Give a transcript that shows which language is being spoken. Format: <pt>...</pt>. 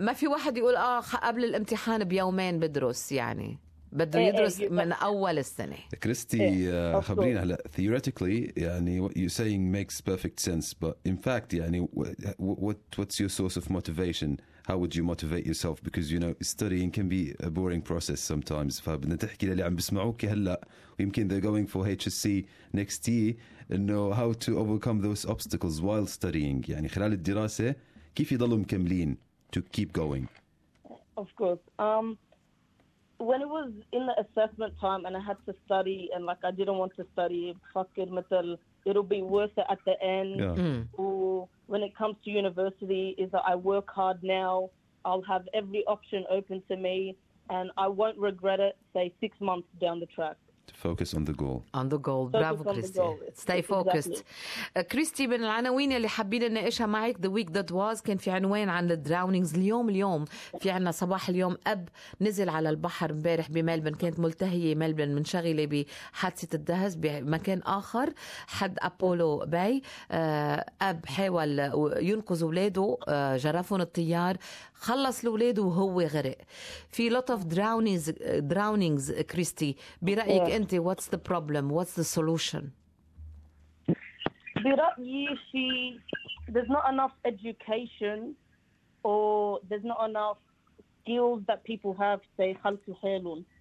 <ar>ما في واحد يقول قبل الامتحان بيومين بدرس يعني. بدو يدرس من أول السنة. كريستي خبرينا هلا.</ar> <en>Theoretically يعني what you're saying makes perfect sense, but in fact يعني what's your source of motivation? How would you motivate yourself? Because you know studying can be a boring process sometimes.</en> <ar>فبدنا تحكي للي عم بسمعوك هلا ويمكن</ar> <en>they're going for HSC next year and know how to overcome those obstacles while studying.</en> <ar>يعني خلال الدراسة كيف يضلوا مكملين</ar> <en>to keep going. Of course. When it was in the assessment time and I had to study and like I didn't want to study, fuck it,</en> <ar>مثل,</ar> <en>it'll be worth it at the end. Yeah. Or when it comes to university, is that I work hard now, I'll have every option open to me and I won't regret it, say, 6 months down the track. Focus on the goal. On the goal. Bravo, Christy. Stay focused.</en> <ar>كريستي من العناوين اللي حابين نناقشها معك</ar> <en>the week that was</en> <ar>كان في عنوان عن الدراونينجز. اليوم في عنا صباح اليوم أب نزل على البحر مبارح بملبن، كانت ملتهية ملبن منشغلة بحادثة الدهس بمكان آخر حد أبولو باي. أب حاول ينقذ أولاده، جرفون الطيار، خلص الأولاد وهو غرق.</ar> <en>في lot of drownings Christy.</en> <ar>برأيك أنت</ar> <en>what's the problem, what's the solution؟</en> <ar>برأيي</ar> <en>there's not enough education or there's not enough skills that people have say</en> <ar>خلصوا حالهم.</ar>